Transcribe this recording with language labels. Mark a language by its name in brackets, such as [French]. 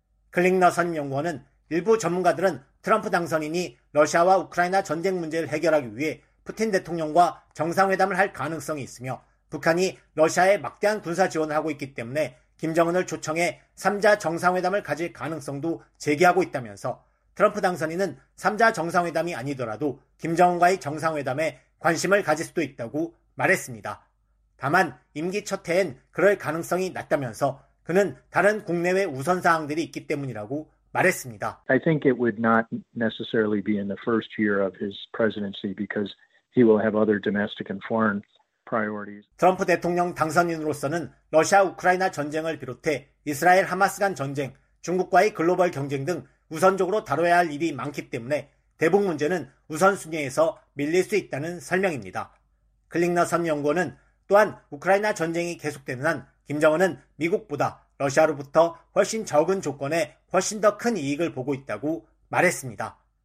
[Korean] 클링너 선임연구원은 일부 전문가들은 트럼프 당선인이 러시아와 우크라이나 전쟁 문제를 해결하기 위해 푸틴 대통령과 정상회담을 할 가능성이 있으며 북한이 러시아에 막대한 군사 지원을 하고 있기 때문에 김정은을 초청해 3자 정상회담을 가질 가능성도 제기하고 있다면서 트럼프 당선인은 3자 정상회담이 아니더라도 김정은과의 정상회담에 관심을 가질 수도 있다고 말했습니다. 다만 임기 첫 해엔 그럴 가능성이 낮다면서 그는 다른 국내외 우선 사항들이 있기 때문이라고 말했습니다. [English] I think it would not necessarily be in the first year of his presidency because he will have other domestic and foreign priorities. [Korean] 트럼프 대통령 당선인으로서는 러시아 우크라이나 전쟁을 비롯해 이스라엘 하마스 간 전쟁, 중국과의 글로벌 경쟁 등 우선적으로 다뤄야 할 일이 많기 때문에 대북 문제는 우선순위에서 밀릴 수 있다는 설명입니다. 클릭너 선연구원은 또한 우크라이나 전쟁이 계속되는 한 김정은은 미국보다 러시아로부터 훨씬 적은 조건에 훨씬 더 큰 이익을 보고 있다고 말했습니다.